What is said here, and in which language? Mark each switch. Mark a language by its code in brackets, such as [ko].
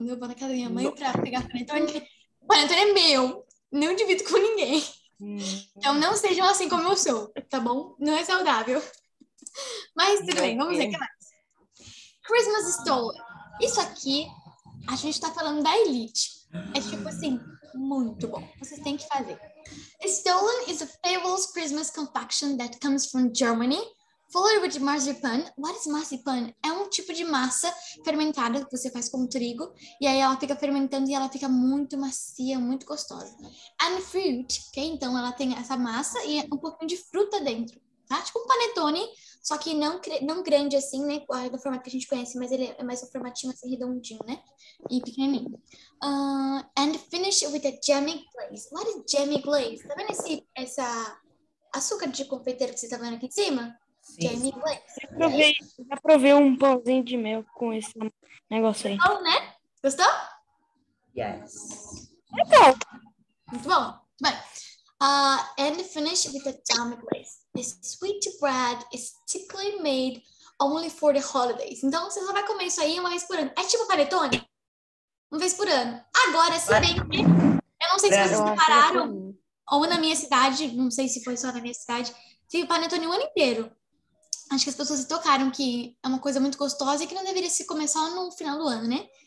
[pt] Quando eu vou na casa da minha mãe pra pegar panetone é meu. Não divido com ninguém. Então, não sejam assim como eu sou, tá bom? Não é saudável. Mas, tudo bem, vamos ver o que mais. Christmas Store. Isso aqui, a gente tá falando da elite. É tipo assim, muito bom. Vocês têm que fazer. [en] Stollen is a fabulous Christmas confection that comes from Germany, flavored with marzipan. What is marzipan? [pt] É um tipo de massa fermentada que você faz com trigo. E aí ela fica fermentando e ela fica muito macia, muito gostosa. [en] And fruit, ok? [pt] Então ela tem essa massa e um pouquinho de fruta dentro. Tá? Tipo um panetone, só que não grande assim, né? Do formato que a gente conhece, mas ele é mais um formatinho assim, redondinho, né? E pequenininho. [en] And finish with a jammy glaze. What is jammy glaze? [pt] Tá vendo esse açúcar de confeiteiro que você tá vendo aqui em cima? Jamie Blake. Já provei um pãozinho de mel com esse negócio aí. Bom, né? Gostou? [en] Yes. [pt] Muito bom. Muito bom. Bem. [en] And finish with the jammy glaze. This sweet bread is typically made only for the holidays. [pt] Então, você só vai comer isso aí uma vez por ano. É tipo panetone? Uma vez por ano. Agora, se bem que... Eu não sei se vocês separaram. Ou na minha cidade, não sei se foi só na minha cidade. Teve panetone o ano inteiro. Acho que as pessoas se tocaram que é uma coisa muito gostosa e que não deveria se comer só no final do ano, né?